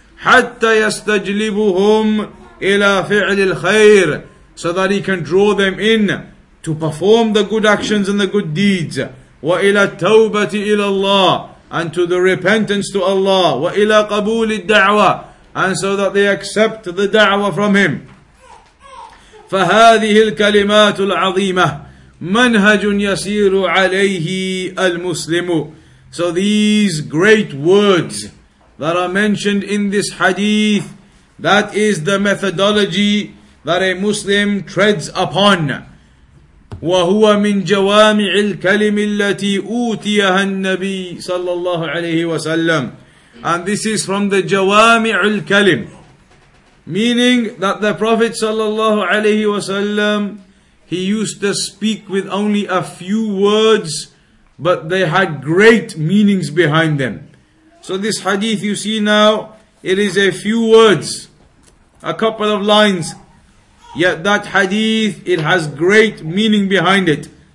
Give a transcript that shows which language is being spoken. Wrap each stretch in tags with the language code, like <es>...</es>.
<ar>حَتَّى يَسْتَجْلِبُهُمْ إِلَىٰ فِعْلِ الْخَيْرِ.</ar> <en>So that he can draw them in to perform the good actions and the good deeds.</en> <ar>وَإِلَىٰ التَّوْبَةِ إِلَى اللَّهِ.</ar> <en>and to the repentance to Allah,</en> <ar>wa ila qabul al-da'wah,</ar> <en>and so that they accept the da'wah from Him.</en> <ar>فهذه الكلمات العظيمة منهج يسير عليه المسلم.</ar> <en>So these great words that are mentioned in this hadith, that is the methodology that a Muslim treads upon.</en> <ar>وهو من جوامع الكلم التي أوتيها النبي صلى الله عليه وسلم.</ar> <en>And this is from the جوامع الكلم, meaning that the Prophet sallallahu alaihi wasallam, he used to speak with only a few words, but they had great meanings behind them. So this hadith you see now, it is a few words, a couple of lines, yet that hadith, it has great meaning behind it.</en>